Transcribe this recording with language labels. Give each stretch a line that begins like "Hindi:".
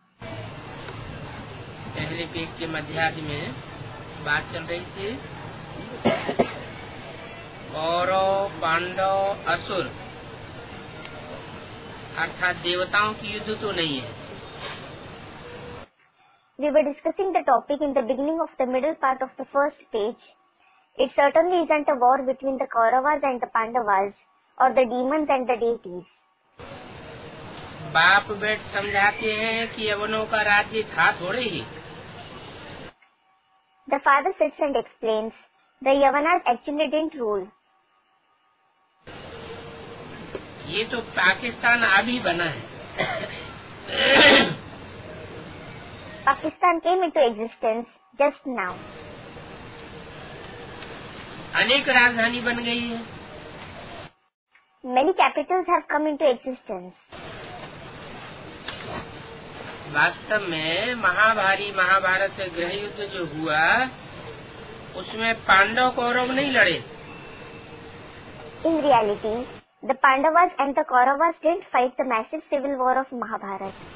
Hindi: पहले पेज के मध्यार्ध में बात चल रही थी कौरव पांडव असुर अर्थात देवताओं की युद्ध तो नहीं है।
English: We were discussing the topic in the beginning of the middle part of the first page. It certainly isn't a war between the Kauravas and the Pandavas, or the demons and the deities.
Hindi: बाप बेट समझाते हैं कि यवनों का राज्य था थोड़े ही।
English: The father sits and explains, the Yavanas actually didn't rule.
Hindi: ये तो पाकिस्तान अभी बना है।
English: Pakistan came into existence just now.
Hindi: अनेक राजधानी बन गई है।
English: Many capitals have come into existence.
Hindi: वास्तव में महाभारत गृह युद्ध जो हुआ उसमें पांडव कौरव नहीं लड़े।
English: In reality, the Pandavas and the Kauravas didn't fight the massive civil war of Mahabharat.